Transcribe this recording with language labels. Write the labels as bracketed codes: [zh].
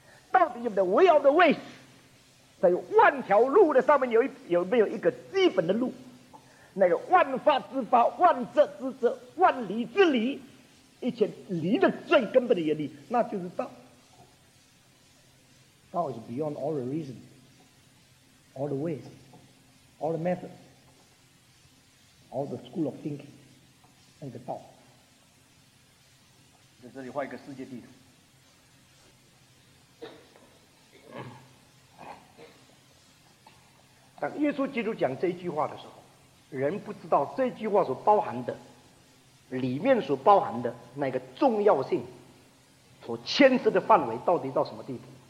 [zh] 到底有没有 [en] way of the ways？ [zh] 在万条路的上面有没有一个基本的路？那个万法之法、万哲之哲、万理之理，一切理的最根本的原理，那就是道。 [en] 道 is beyond all the reason, all the ways, all the methods, all the school of thinking, [zh] 那个道。在这里画一个世界地图，当耶稣基督讲这一句话的时候，人不知道这句话所包含的里面所包含的那个重要性所牵涉的范围到底到什么地步。